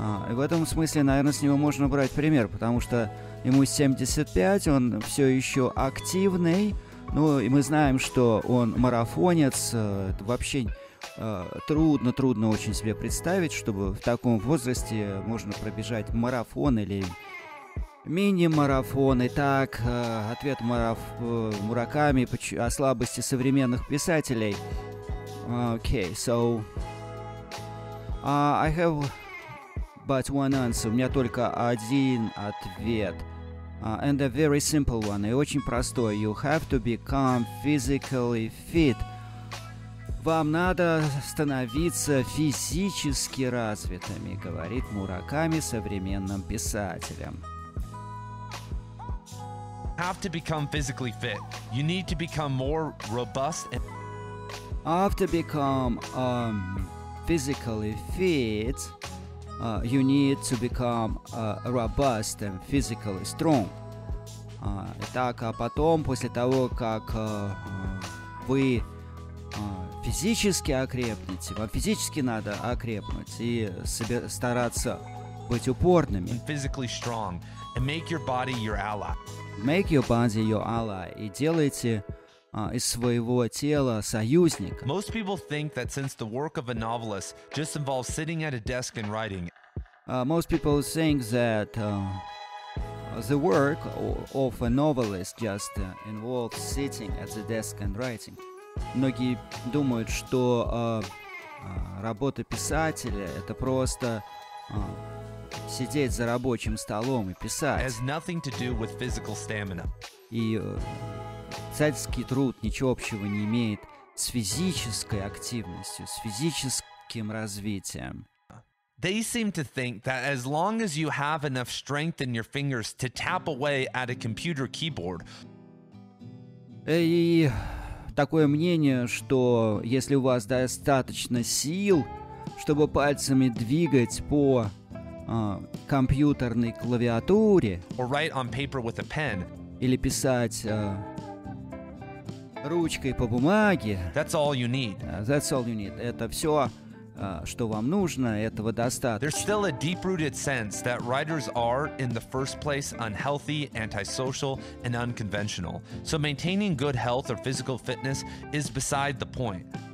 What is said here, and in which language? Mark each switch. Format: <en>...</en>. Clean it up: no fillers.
<ru>и в этом смысле, наверное, с него можно брать пример, потому что ему 75, он все еще активный, ну и мы знаем, что он марафонец, вообще трудно очень себе представить, чтобы в таком возрасте можно пробежать марафон или мини-марафон. Итак, ответ Мураками о слабости современных писателей.</ru> <en>Okay, so I have but one answer.</en> <ru>У меня только один ответ.</ru> <en>And a very simple one.</en> <ru>И очень простой.</ru> <en>You have to become physically fit.</en> <ru>Вам надо становиться физически развитыми, говорит Мураками современным писателям.</ru> <en>Have to become physically fit. You need to become more robust. And have to become physically fit. You need to become robust and physically strong.</en> <ru>Итак, а потом после того, как вы физически окрепните, вам физически надо окрепнуть и стараться быть упорными.</ru> <en>And physically strong. And make your body your ally. Make your body your ally.</en> <ru>И делайте из своего тела союзника.</ru> <en>Most people think that since the work of a novelist just involves sitting at a desk and writing. Most people think that the work of a novelist just involves sitting at the desk and writing.</en> <ru>Многие думают, что работа писателя — это просто сидеть за рабочим столом и писать.</ru> <en>Has nothing to do with physical stamina.</en> <ru>И писательский труд ничего общего не имеет с физической активностью, с физическим развитием.</ru> <en>They seem to think that as long as you have enough strength in your fingers to tap away at a computer keyboard.</en> <ru>И такое мнение, что если у вас достаточно сил, чтобы пальцами двигать по компьютерной клавиатуре,</ru> <en>or write on paper with a pen,</en> <ru>или писать ручкой по бумаге,</ru> <en>that's all you need. That's all you need.</en> <ru>Это все, что вам нужно, этого достаточно.</ru> <en>There's still a deep-rooted sense that writers are, in the first place, unhealthy, antisocial, and unconventional. So maintaining good health or physical fitness is beside the point.</en>